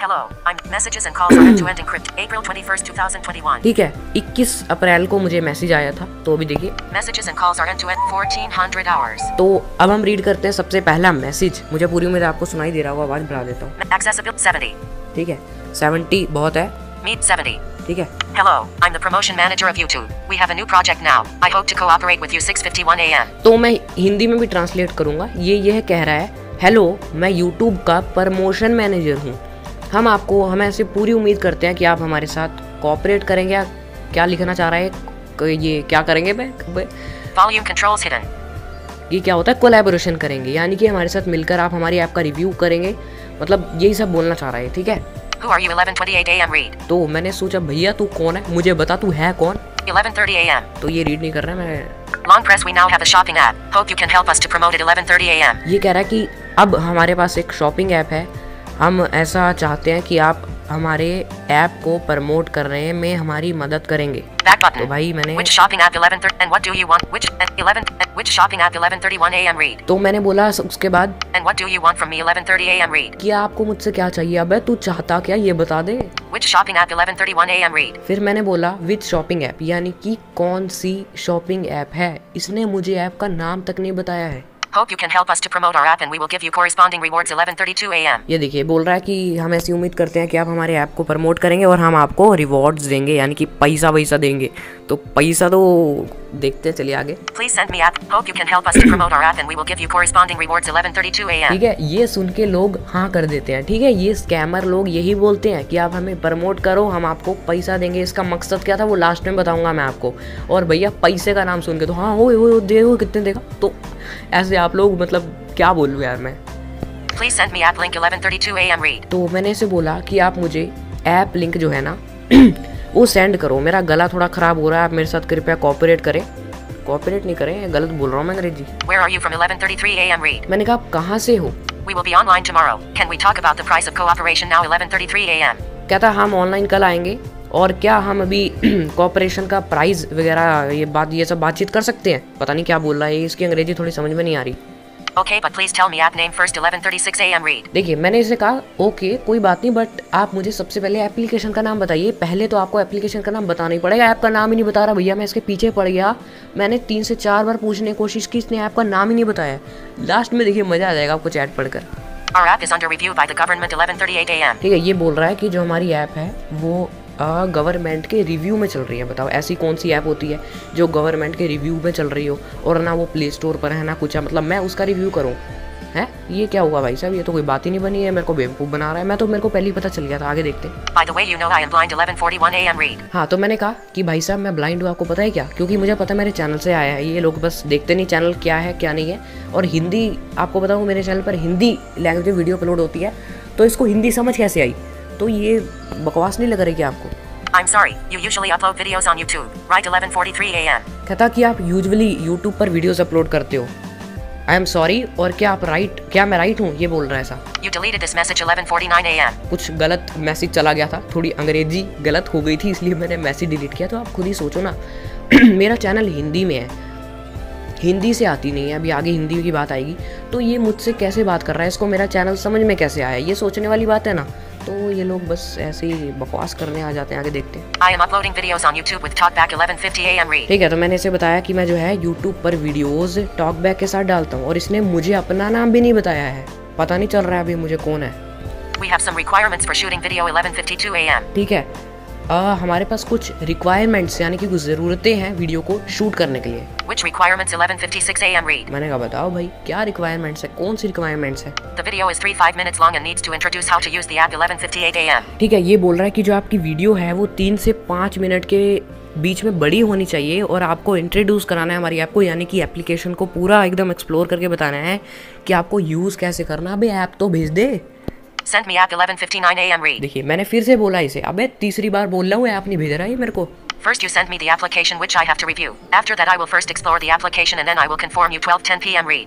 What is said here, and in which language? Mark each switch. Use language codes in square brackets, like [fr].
[en] Hello, I am messages and calls to end encrypt April 21st, 2021। [hi] ठीक है, 21 अप्रैल को मुझे मैसेज आया था, तो अभी देखिए [en] Messages and calls are end to end 1400 hours. [hi] तो अब हम रीड करते हैं सबसे पहला मैसेज, मुझे पूरी उम्मीद आपको सुनाई दे रहा होगा, आवाज बढ़ा देता हूं। [en] accessible 70, [hi] ठीक है, 70 बहुत है। [en] meet 70, [hi] ठीक है। [en] Hello, I'm the promotion manager of YouTube. We have a new project now. I hope to cooperate with you 6:51 AM. [hi] तो मैं हिंदी में भी ट्रांसलेट करूंगा। ये कह रहा है, हेलो, मैं YouTube का प्रमोशन मैनेजर हूँ। हमें ऐसे पूरी उम्मीद करते हैं कि आप हमारे साथ कोऑपरेट करेंगे। क्या लिखना चाह रहा है ये, क्या करेंगे? [en] Volume controls hidden. [hi] ये क्या होता है, कोलैबोरेशन करेंगे, यानी कि हमारे साथ मिलकर आप हमारी ऐप का रिव्यू करेंगे, मतलब यही सब बोलना चाह रहा है, ठीक है। [en] Who are you? 11:28 AM read. [hi] तो मैंने सोचा भैया तू कौन है, मुझे बता तू है कौन। [en] 11:30 AM. [hi] तो ये रीड नहीं कर रहा है मैं। [en] Long press, we now have a shopping app. Hope you can help us to promote it 11:30 AM. [hi] ये कह रहा है कि अब हमारे पास एक शॉपिंग ऐप है, हम ऐसा चाहते हैं कि आप हमारे ऐप को प्रमोट करने में हमारी मदद करेंगे। [en] Back button. [hi] तो भाई मैंने [en] Which shopping app 11:30 and what do you want? Which 11 Which shopping app 11:31 AM read. [hi] तो मैंने बोला उसके बाद [en] And what do you want from me 11:30 AM read. [hi] क्या आपको मुझसे क्या चाहिए, अबे तू चाहता क्या ये बता दे। [en] Which shopping app 11:31 AM read. [hi] फिर मैंने बोला [en] Which shopping app, [hi] यानी कि कौन सी शॉपिंग ऐप है, इसने मुझे ऐप का नाम तक नहीं बताया है। [en] Hope you can help us to promote our app and we will give you corresponding rewards 11:32 AM. [hi] ये देखिए बोल रहा है कि हम ऐसी उम्मीद करते हैं कि आप हमारे ऐप को प्रमोट करेंगे और हम आपको रिवॉर्ड्स देंगे, यानी कि पैसा वैसा देंगे। तो पैसा तो देखते हैं, चलिए आगे। [en] Please send me app. Hope you can help us to promote our app and we will give you corresponding rewards 11:32 AM. [hi] ठीक है, ये सुन के लोग हाँ कर देते हैं, ठीक है। ये स्कैमर लोग यही बोलते हैं कि आप हमें प्रमोट करो, हम आपको पैसा देंगे। इसका मकसद क्या था वो लास्ट में बताऊंगा मैं आपको। और भैया पैसे का नाम सुन के तो हाँ, ओए ओए दे, कितने देगा। तो ऐसे आप लोग मतलब क्या बोलूँ यार मैं। [en] Please send me app link 11:32 AM read. [hi] तो मैंने इसे बोला कि आप मुझे ऐप लिंक जो है ना वो सेंड करो, मेरा गला थोड़ा खराब हो रहा है, आप मेरे साथ कृपया कोऑपरेट करें। कोऑपरेट नहीं करें, गलत बोल रहा हूँ मैं अंग्रेजी। [en] Where are you from 11:33 AM read. [hi] मैंने कहा आप कहाँ से हो। [en] We will be online tomorrow. Can we talk about the price of cooperation now 11:33 AM. [hi] कहता हम ऑनलाइन कल आएंगे और क्या हम अभी कोऑपरेशन का प्राइस वगैरह ये सब बातचीत कर सकते हैं। पता नहीं क्या बोल रहा है, इसकी अंग्रेजी थोड़ी समझ में नहीं आ रही। [en] Okay, but please tell me app name first 11:36 AM read. [hi] देखिए मैंने इसे कहा ओके कोई बात नहीं, बट आप मुझे सबसे पहले एप्लीकेशन का नाम बताइए। पहले तो आपको एप्लीकेशन का नाम बताना ही पड़ेगा, ऐप का नाम ही नहीं बता रहा भैया, मैं इसके पीछे पड़ गया। मैंने 3 से 4 बार पूछने की कोशिश की, इसने ऐप का नाम ही नहीं बताया। लास्ट में देखिए मजा आ जाएगा आपको चैट पढ़कर। [en] Our app is under review by the government 11:38 AM. [hi] ठीक है, ये बोल रहा है कि जो हमारी ऐप है वो गवर्नमेंट के रिव्यू में चल रही है। बताओ ऐसी कौन सी ऐप होती है जो गवर्नमेंट के रिव्यू में चल रही हो, और ना वो प्ले स्टोर पर है ना कुछ है, मतलब मैं उसका रिव्यू करूं है। ये क्या हुआ भाई साहब, ये तो कोई बात ही नहीं बनी है, मेरे को बेवकूफ़ बना रहा है। मैं तो मेरे को पहले ही पता चल गया था, आगे देखते। [en] By the way, you know I am blind 11:41 AM read. [hi] हाँ, तो मैंने कहा कि भाई साहब मैं ब्लाइंड हूँ, आपको पता है क्या, क्योंकि मुझे पता है मेरे चैनल से आया है। ये लोग बस देखते नहीं चैनल क्या है क्या नहीं है, और हिंदी आपको बताऊँ मेरे चैनल पर हिंदी लैंग्वेज में वीडियो अपलोड होती है, तो इसको हिंदी समझ कैसे आई। तो ये बकवास नहीं लग रही क्या आपको? [en] I'm sorry. You usually upload videos on YouTube, right? 11:43 AM. [hi] कहता कि आप usually YouTube पर videos upload करते हो, [en] I am sorry [hi] और क्या आप राइट क्या मैं राइट हूँ ये बोल रहा है ऐसा। [en] You deleted this message 11:49 AM. [hi] कुछ गलत मैसेज चला गया था, थोड़ी अंग्रेजी गलत हो गई थी इसलिए मैंने मैसेज डिलीट किया। तो आप खुद ही सोचो ना, मेरा चैनल हिंदी में है, हिंदी से आती नहीं है, अभी आगे हिंदी की बात आएगी, तो ये मुझसे कैसे बात कर रहा है, इसको मेरा चैनल समझ में कैसे आया, ये सोचने वाली बात है ना। तो ये लोग बस ऐसे ही बकवास करने आ जाते हैं। आगे देखते हैं। [en] I am uploading videos on YouTube with TalkBack 11:50 AM read. [hi] ठीक है, तो मैंने इसे बताया कि मैं जो है YouTube पर वीडियोस TalkBack के साथ डालता हूँ, और इसने मुझे अपना नाम भी नहीं बताया है, पता नहीं चल रहा है अभी मुझे कौन है। [en] We have some requirements for shooting video 11:52 AM. [hi] ठीक है, हमारे पास कुछ रिक्वायरमेंट्स यानी कि कुछ जरूरतें हैं वीडियो को शूट करने के लिए। [en] Which requirements 11:56 AM read? [hi] मैंने कहा बताओ भाई क्या रिक्वायरमेंट्स है, कौन सी रिक्वायरमेंट्स है। [en] The video is 3-5 minutes long and needs to introduce how to use the app 11:58 AM. [hi] ठीक है, ये बोल रहा है कि जो आपकी वीडियो है वो 3-5 मिनट के बीच में बड़ी होनी चाहिए, और आपको इंट्रोड्यूस कराना है हमारी ऐप को, यानी कि एप्लीकेशन को पूरा एकदम एक्सप्लोर करके बताना है कि आपको यूज कैसे करना। अबे ऐप तो भेज दे। [en] Sent me app 11:59 AM read. [hi] देखिए मैंने फिर से बोला इसे, अबे तीसरी बार बोल रहा हूँ, ऐप नहीं भेज रहा है मेरे को। [en] First you sent me the application which I have to review. After that I will first explore the application and then I will confirm you 12:10 PM read.